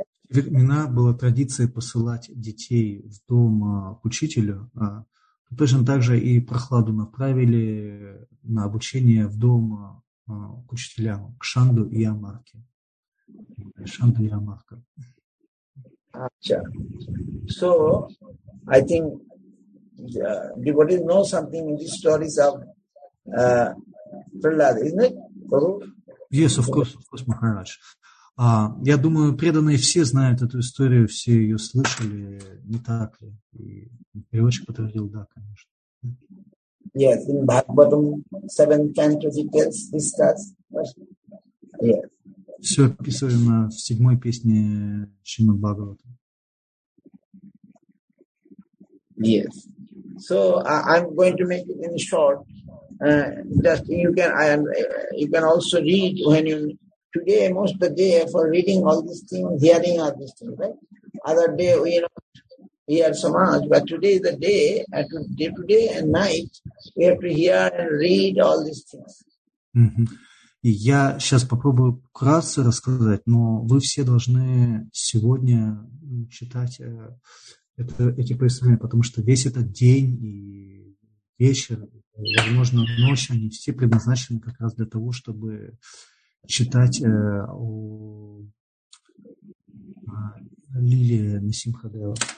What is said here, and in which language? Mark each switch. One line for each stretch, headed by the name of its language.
Russian: В времена была традиция посылать детей в дом к учителю. Точно так же и Прохладу направили на обучение в дом к учителям, к Шанду и Амарке. Шанда и Амарка.
English: So, I think devotees know something in these stories of Prahlad, isn't it? Yes, of course, Maharaj.
Russian: Я думаю, преданные все знают эту историю, все ее слышали, не так ли? И переводчик подтвердил, да, конечно.
English: Yes, in Bhagavatam 7th canto details discussed.
Russian: Все описано в 7-й песне Шримад Бхагаватам.
English: Yes. So I'm going to make it in short. Just you can also read when you. Today, most of the day for reading all these things, hearing all these things, right? Other day, we don't hear so much, but today is the day, and day-to-day and night, we have to hear and read all these things. Mm-hmm.
Russian: И я сейчас попробую вкратце рассказать, но вы все должны сегодня читать эти произведения, потому что весь этот день и вечер, возможно, ночь, они все предназначены как раз для того, чтобы читать о лиле Насимхадева.